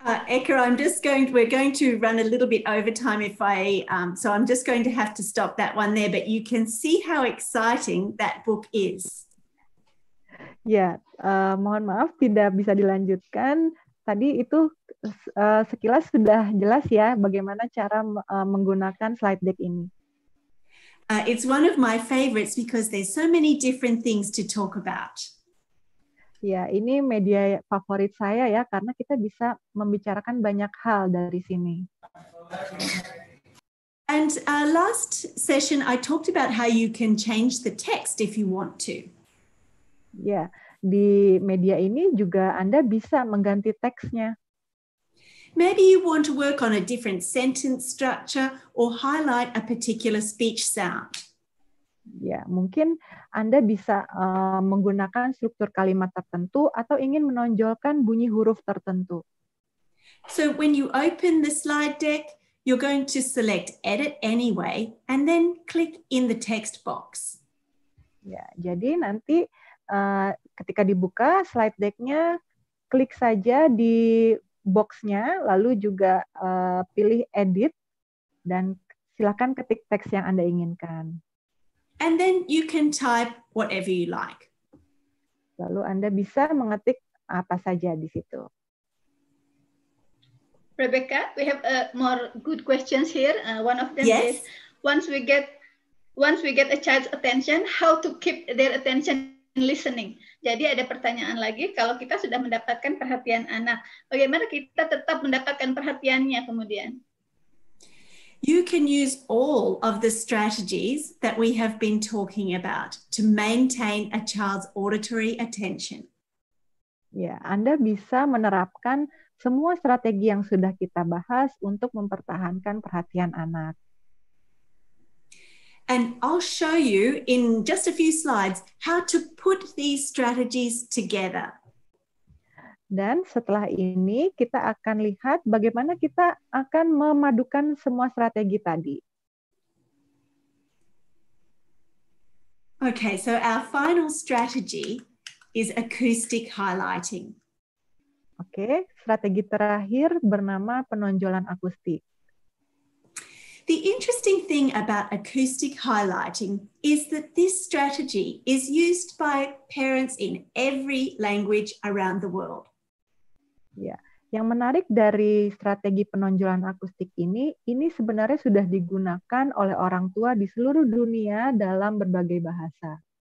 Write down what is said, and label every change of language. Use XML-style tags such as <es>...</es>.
<en>Eka, we're going to run a little bit over time so I'm just going to have to stop that one there, but you can see how exciting that book is.</en> <id>Yeah, mohon maaf tidak bisa dilanjutkan. Tadi itu sekilas sudah jelas ya bagaimana cara menggunakan slide deck ini.</id> <en>It's one of my favorites because there's so many different things to talk about.</en> <id>Ya, ini media favorit saya ya, karena kita bisa membicarakan banyak hal dari sini.</id> <en>And last session I talked about how you can change the text if you want to.</en> <id>Ya, di media ini juga Anda bisa mengganti teksnya.</id> <en>Maybe you want to work on a different sentence structure or highlight a particular speech sound.</en> <id>Ya, mungkin Anda bisa menggunakan struktur kalimat tertentu atau ingin menonjolkan bunyi huruf tertentu.</id> <en>So when you open the slide deck, you're going to select edit anyway and then click in the text box.</en> <id>Ya, jadi nanti ketika dibuka slide deck-nya, klik saja di box-nya lalu juga pilih edit dan silakan ketik teks yang Anda inginkan.</id> <en>And then you can type whatever you like.</en> <id>Lalu Anda bisa mengetik apa saja di situ.</id> <en>Rebecca, we have more good questions here. One of them yes. is once we get a child's attention, how to keep their attention and listening.</en> <id>Jadi ada pertanyaan lagi, kalau kita sudah mendapatkan perhatian anak, bagaimana kita tetap mendapatkan perhatiannya kemudian?</id> <en>You can use all of the strategies that we have been talking about to maintain a child's auditory attention.</en> <id>Ya, Anda bisa menerapkan semua strategi yang sudah kita bahas untuk mempertahankan perhatian anak.</id> <en>And I'll show you in just a few slides how to put these strategies together.</en> <id>Dan setelah ini kita akan lihat bagaimana kita akan memadukan semua strategi tadi.</id> <en>Okay, so our final strategy is acoustic highlighting.</en> <id>Okay, strategi terakhir bernama penonjolan akustik.</id> <en>The interesting thing about acoustic highlighting is that this strategy is used by parents in every language around the world.</en> <id>Ya, yang menarik dari strategi penonjolan akustik ini sebenarnya sudah digunakan oleh orang tua di seluruh dunia dalam berbagai bahasa.</id>